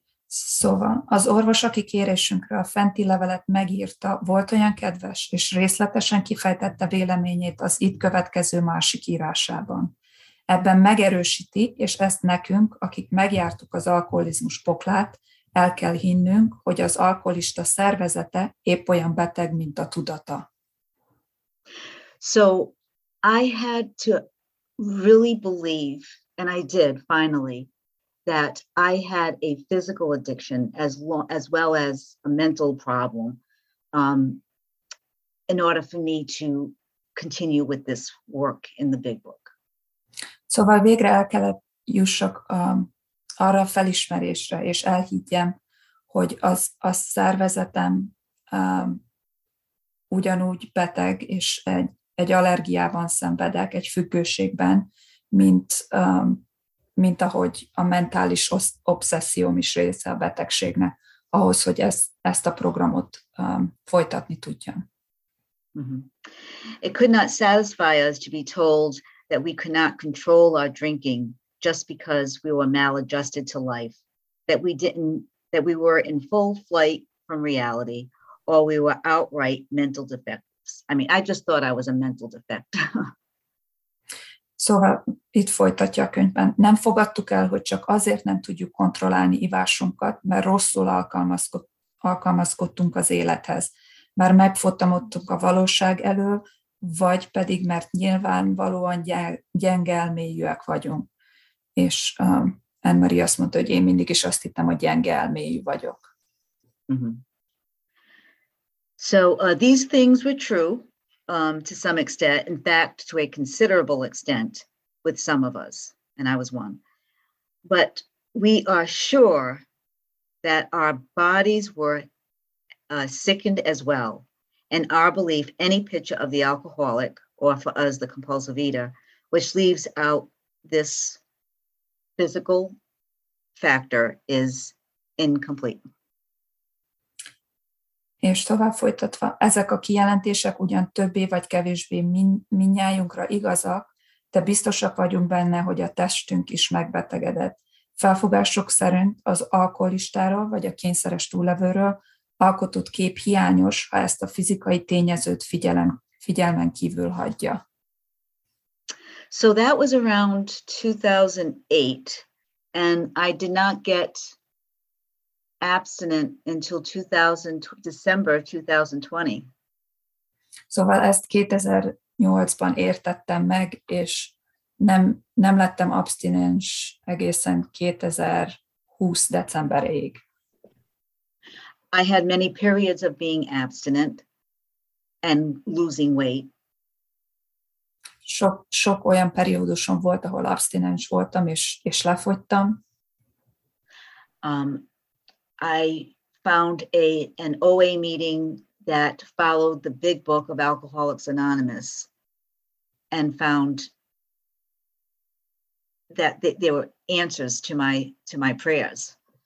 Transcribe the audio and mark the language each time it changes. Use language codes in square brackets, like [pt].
[hu] Szóval, az orvos, aki kérésünkre a fenti levelet megírta, volt olyan kedves, és részletesen kifejtette véleményét az itt következő másik írásában. Ebben megerősíti, és ezt nekünk, akik megjártuk az alkoholizmus poklát, el kell hinnünk, hogy az alkoholista szervezete épp olyan beteg, mint a tudata. [en] So, I had to really believe, and I did finally, that I had a physical addiction as well as a mental problem in order for me to continue with this work in the big book. [hu] Szóval végre el kellett jussak arra a felismerésre, és elhiggyem, hogy a szervezetem ugyanúgy beteg, és egy allergiában szenvedek, egy függőségben, mint ahogy a mentális obszesszióm is része a betegségnek, ahhoz, hogy ezt a programot folytatni tudjam. Mm-hmm. [en] It could not satisfy us to be told that we could not control our drinking just because we were maladjusted to life, that we didn't, that we were in full flight from reality, or we were outright mental defects. I mean, I just thought I was a mental defect. [hu] Szóval itt folytatja a könyvben. Nem fogadtuk el, hogy csak azért nem tudjuk kontrollálni ivásunkat, mert rosszul alkalmazkodtunk az élethez. Mert megfotamodtunk a valóság elől, vagy pedig mert nyilvánvalóan gyenge elméjűek vagyunk. És Anne-Marie azt mondta, hogy én mindig is azt hittem, hogy gyenge elméjű vagyok. Mm-hmm. [en] So these things were true. To some extent, in fact, to a considerable extent with some of us, and I was one. But we are sure that our bodies were sickened as well. And our belief, any picture of the alcoholic, or for us, the compulsive eater, which leaves out this physical factor, is incomplete. [hu] És tovább folytatva, ezek a kijelentések ugyan többé vagy kevésbé mindnyájunkra igazak, de biztosak vagyunk benne, hogy a testünk is megbetegedett. Felfogások szerint az alkoholistáról vagy a kényszeres túllevőről alkotott kép hiányos, ha ezt a fizikai tényezőt figyelmen kívül hagyja. [en] So that was around 2008, and I did not get abstinent until December 2020. [hu] Szóval ezt 2008-ban értettem meg, és nem lettem abstinens egészen 2020 decemberig. [en] I had many periods of being abstinent and losing weight. [hu] Sok olyan periódusom volt, ahol abstinens voltam és lefogytam. [en] I found an OA meeting that followed the big book of Alcoholics Anonymous and found that there were answers to my prayers.